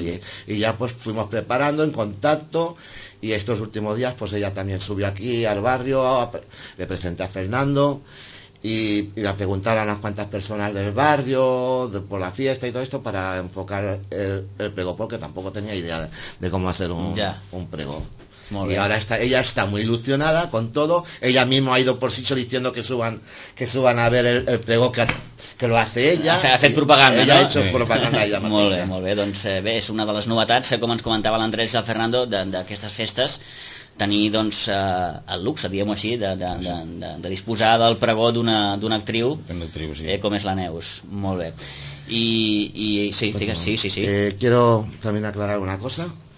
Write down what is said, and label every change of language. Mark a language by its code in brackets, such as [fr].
[es] Y ya pues fuimos preparando en contacto. Y estos últimos días, pues ella también subió aquí al barrio, le presenté a Fernando y la preguntaron a unas cuantas personas del barrio, por la fiesta y todo esto, para enfocar el prego, porque tampoco tenía idea de cómo hacer un prego. Muy y bien. Ahora ella está muy ilusionada con todo. Ella misma ha ido por sitio diciendo que suban a ver el prego que lo hace ella. [ca] Ha fet propaganda, ella no? [es] Ha hecho propaganda ella [ca] mateixa. Molt bé, molt bé. Doncs bé, és una de les novetats, com ens comentava l'Andrés i el Fernando, d'aquestes festes, tenir doncs el luxe, diguem-ho així, de disposar del pregó d'una actriu, sí. Com és la Neus. Molt bé. I sí, pues digues, no. sí. [es] Quiero también aclarar una cosa.